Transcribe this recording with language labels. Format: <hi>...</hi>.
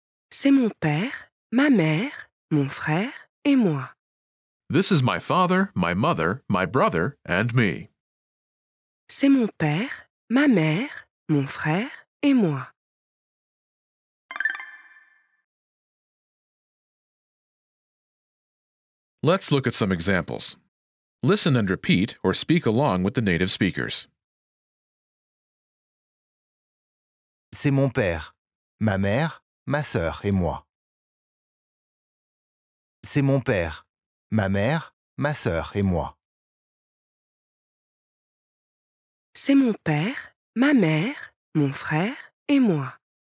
<fr>C'est mon père, ma mère, mon frère et moi.</fr> <en>This is my father, my mother, my brother and me.</en> <fr>C'est mon père, ma mère, mon frère et moi.</fr> <en>Let's look at some examples. Listen and repeat or speak along with the native speakers.</en> <fr>C'est mon père, ma mère, ma sœur et moi. C'est mon père, ma mère, ma sœur et moi. C'est mon père, ma mère, mon frère et moi.</fr>